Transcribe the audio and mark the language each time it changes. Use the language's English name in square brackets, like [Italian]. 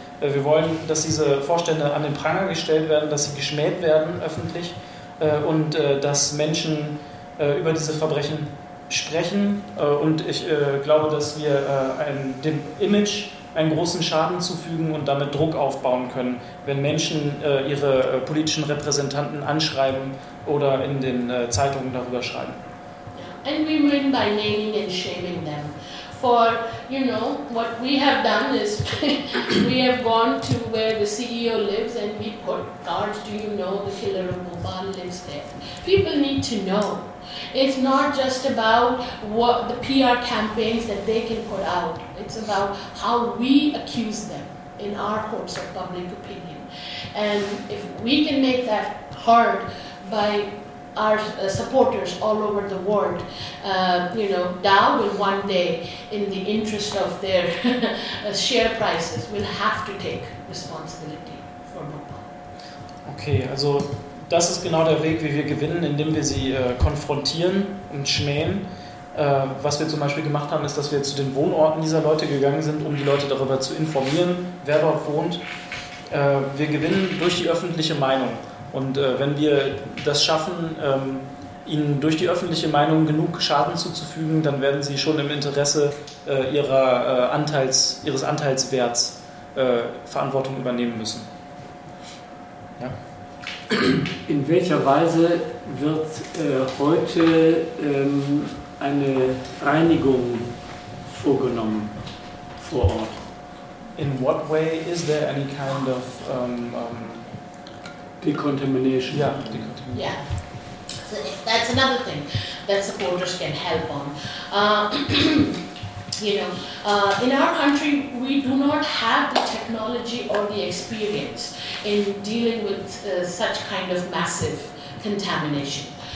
[German] Wir wollen, dass diese Vorstände an den Pranger gestellt werden, dass sie geschmäht werden öffentlich und dass Menschen über diese Verbrechen sprechen. Und ich glaube, dass wir dem Image einen großen Schaden zufügen und damit Druck aufbauen können, wenn Menschen ihre politischen Repräsentanten anschreiben oder in den Zeitungen darüber schreiben. [English] And we mean by naming and shaming them. For, you know, what we have done is we have gone to where the CEO lives and we put guards, do you know the killer of Bhopal lives there? People need to know. It's not just about what the PR campaigns that they can put out. It's about how we accuse them in our courts of public opinion. And if we can make that heard by our supporters all over the world, you know, Dow will one day, in the interest of their share prices, will have to take responsibility for Bhopal. [German] Okay, also das ist genau der Weg, wie wir gewinnen, indem wir sie konfrontieren und schmähen. Was wir zum Beispiel gemacht haben, ist, dass wir zu den Wohnorten dieser Leute gegangen sind, um die Leute darüber zu informieren, wer dort wohnt. Wir gewinnen durch die öffentliche Meinung. Und wenn wir das schaffen, ihnen durch die öffentliche Meinung genug Schaden zuzufügen, dann werden sie schon im Interesse ihres Anteilswerts Verantwortung übernehmen müssen. Ja. In welcher Weise wird heute eine Reinigung vorgenommen vor Ort? [English] In what way is there any kind of decontamination? Yeah. So that's another thing that supporters can help on. in our country, we do not have the technology or the experience in dealing with such kind of massive contamination.